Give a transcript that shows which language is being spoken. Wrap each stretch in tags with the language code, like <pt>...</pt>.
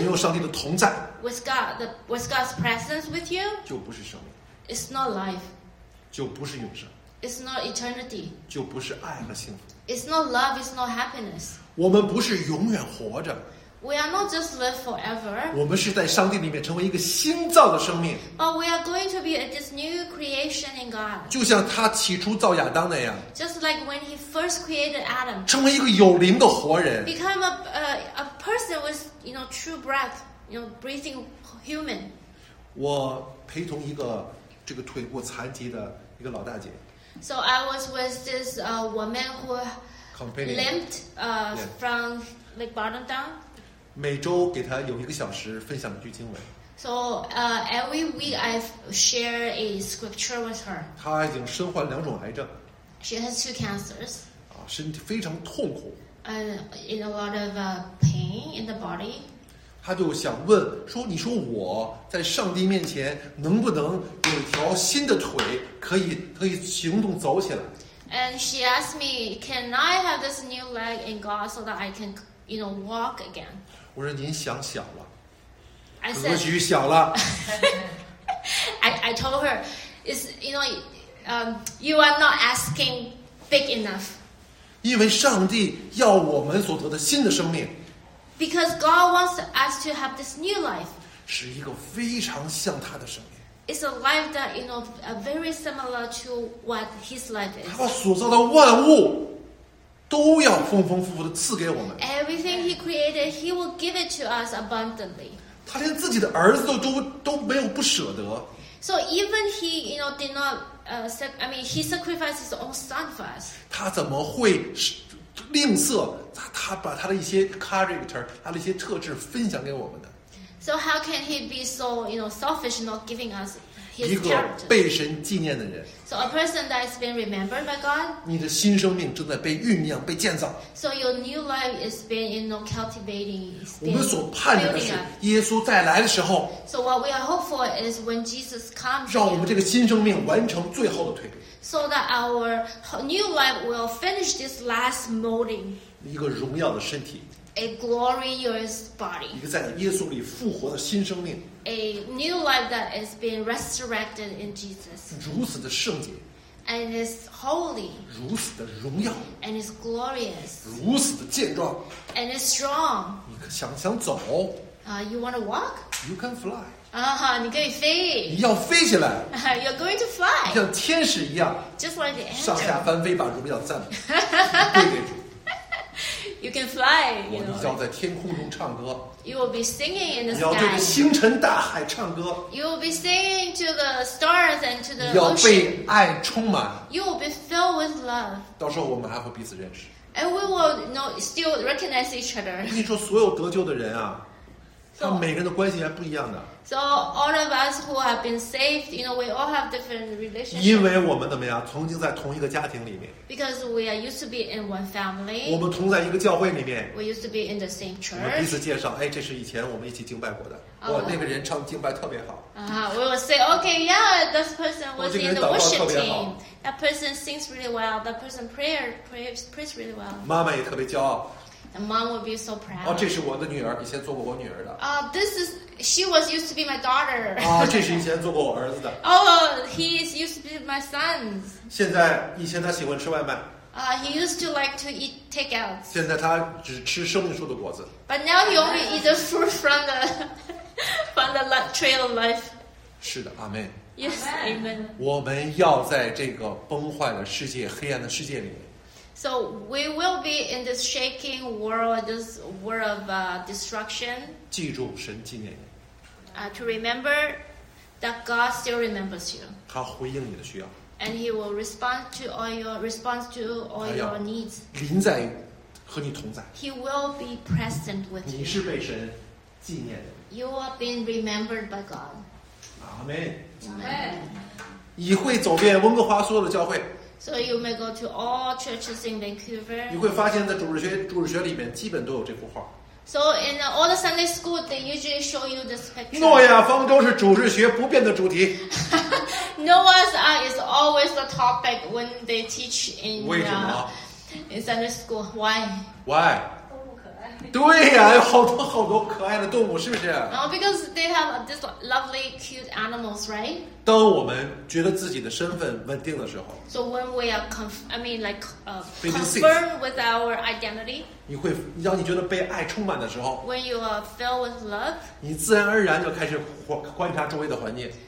<zh>没有上帝的同在。</zh> <en>With God, with God's presence with you.</en> <zh>就不是生命。</zh> <en>It's not life.</en> <zh>就不是永生。</zh> <en>It's not eternity.</en> <zh>就不是爱和幸福。</zh> <en>It's not love, it's not happiness.</en> <zh>我们不是永远活着。</zh> <en>We are not just live forever.</en> <zh>我们是在上帝里面成为一个新造的生命。</zh> <en>But we are going to be this new creation in God.</en> <zh>就像他起初造亚当那样。</zh> <en>Just like when he first created Adam.</en> <zh>成为一个有灵的活人。</zh> <en>Become a person with, you know, true breath, you know, breathing human.</en> <zh>我陪同一个这个腿部残疾的一个老大姐。</zh> <en>So I was with this woman who limped from like bottom down.</en> <zh>每周给他有一个小时分享一句经文。</zh> <en>So every week I share a scripture with her.</en> <zh>她已经身患两种癌症。</zh> <en>She has two cancers.</en> <zh>身体非常痛苦。</zh> <en>In a lot of pain in the body.</en> <zh>她就想问说，你说我在上帝面前能不能有一条新的腿可以行动走起来。</zh> <en>And she asked me, can I have this new leg in God so that I can, you know, walk again?</en> <zh>我说您想小了。</zh> <en>I said,</en> <zh>格局小了。</zh> <en>I told her, it's, you know, you are not asking big enough.</en> <zh>因为上帝要我们所得的新的生命。</zh> <en>Because God wants us to have this new life.</en> <zh>是一个非常像他的生命。</zh> <en>It's a life that, you know, very similar to what his life is.</en> <zh>他把所造的万物都要丰丰富富的赐给我们。</zh> <en>Everything he created, he will give it to us abundantly.</en> <zh>他连自己的儿子都没有不舍得。</zh> <en>So even he, you know, did not, he sacrificed his own son for us.</en> <zh>他怎么会吝啬他把他的一些 character, 他的一些特质分享给我们的。</zh> <en>So how can he be so, you know, selfish, not giving us his character?</en> <zh>一个被神纪念的人。</zh> <en>So a person that has been remembered by God.</en> <zh>你的新生命正在被酝酿，被建造。</zh> <en>So your new life is being, you know, cultivating.</en> <zh>我们所盼着的是耶稣再来的时候。</zh> <en>So what we are hope for is when Jesus comes.</en> <zh>让我们这个新生命完成最后的蜕变。</zh> <en>So that our new life will finish this last molding.</en> <zh>一个荣耀的身体。</zh> <en>A glorious body.</en> <zh>一个在耶稣里复活的新生命。</zh> <en>A new life that is being resurrected in Jesus.</en> <zh>如此的圣洁。</zh> <en>And is holy.</en> <zh>如此的荣耀。</zh> <en>And is glorious.</en> <zh>如此的健壮。</zh> <en>And is strong.</en> <zh>你想走。</zh> <en>You want to walk? You can fly.</en> <zh>你可以飞。你要飞起来。</zh> <en>You're going to fly.</en> <zh>像天使一样。</zh> <en>Just like the angel.</en> <zh>上下翻飞，把荣耀赞美。</zh> <en>You can fly. You know.</en> <zh>你要在天空中唱歌。</zh> <en>You will be singing in the sky.</en> <zh>你要对着星辰大海唱歌。</zh> <en>You will be singing to the stars and to the ocean.</en> <zh>你要被爱充满。</zh> <en>You will be filled with love.</en> <zh>到时候我们还会彼此认识。</zh> <en>And we will know, still recognize each other.</en> <zh>我跟你说，所有得救的人啊，他们每个人的关系还不一样的。</zh> <en>So all of us who have been saved, you know, we all have different relationships.</en> <zh>因为我们怎么样，曾经在同一个家庭里面。</zh> <en>Because we are used to be in one family.</en> <zh>我们同在一个教会里面。</zh> <en>We used to be in the same church.</en> <zh>我们彼此介绍，哎，这是以前我们一起敬拜过的。哇，那个人唱敬拜特别好。</zh> <en>We will say, okay, yeah, this person was in the worship team. That person sings really well. That person prays really well.</en> <zh>妈妈也特别骄傲。</zh> <en>The mom would be so proud.</en> <zh>这是我的女儿，以前做过我女儿的。</zh> <en>She was used to be my daughter.</en> <zh>这是以前做过我儿子的。</zh> <en>He is used to be my son's.</en> <zh>现在，以前他喜欢吃外卖。</zh> <en>He used to like to eat takeouts.</en> <zh>现在他只吃生命树的果子。</zh> <en>But now he only eats the fruit from the find the trail of life.</en> <zh>是的，阿门。</zh> <en>Yes, amen.</en> <zh>我们要在这个崩坏的世界、黑暗的世界里面。</zh> <en>So we will be in this shaking world, this world of destruction.</en> <zh>记住神纪念你。</zh> <en>To remember that God still remembers you.</en> <zh>他回应你的需要。</zh> <en>And He will respond to all your needs.</en> <zh>临在和你同在。</zh> <en>He will be present with you.</en> <zh>你是被神纪念的。</zh> <en>You are being remembered by God.</en> <zh>阿门。阿门。你会走遍温哥华所有的教会。</zh> <en>So you may go to all churches in Vancouver.</en> <zh>你会发现在主日学里面基本都有这幅画。</zh> <en>So in all the Sunday school, they usually show you this picture.</en> <zh>诺亚方舟是主日学不变的主题。</zh> <en>Noah's Ark is always the topic when they teach in Sunday school. Why? Why?</en> <zh>动物可爱。对呀，有好多好多可爱的动物，是不是？</zh> <en>Because they have these lovely, cute animals, right?</en> <zh>当我们觉得自己的身份稳定的时候。</zh> <en>So when we are confirmed with our identity.</en> <zh>你会让你觉得被爱充满的时候</zh> <en>，When you are filled with love，</en> <zh>你自然而然就开始观察周围的环境。</zh>